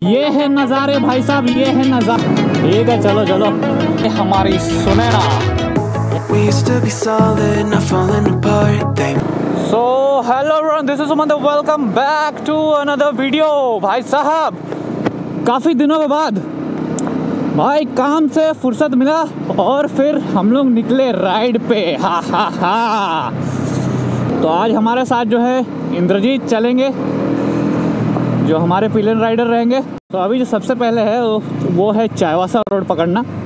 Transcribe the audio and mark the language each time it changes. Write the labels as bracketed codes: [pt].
[hi] ये है नजारे भाई साहब, ये है नजारे। ठीक है चलो चलो, ये हमारी सुनेना। [en] We used to be solid, not falling apart. So hello everyone, this is Sumant. Welcome back to another video, [hi] भाई साहब। काफी दिनों के बाद भाई काम से फुर्सत मिला और फिर हम लोग निकले राइड पे। हा हा हा। तो आज हमारे साथ जो है इंद्रजीत चलेंगे, जो हमारे पिलियन राइडर रहेंगे। तो अभी जो सबसे पहले है वो है चायवासा रोड पकड़ना।